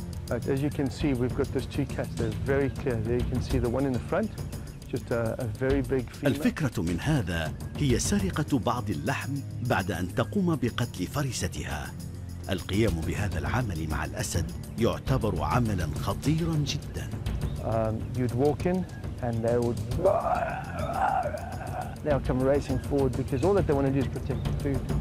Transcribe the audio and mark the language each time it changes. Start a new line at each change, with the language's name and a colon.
English: Right, as you can see, we've got those two cats. They're very clear. There you can see the one in the front, just a very big female.
Arabic: الفكرة من هذا هي سرقة بعض اللحم بعد أن تقوم بقتل فريستها. القيام بهذا العمل مع الأسد يعتبر عملا خطيرا جدا.
English: You'd walk in and they would. They would come racing forward because all that they want to do is protect the food.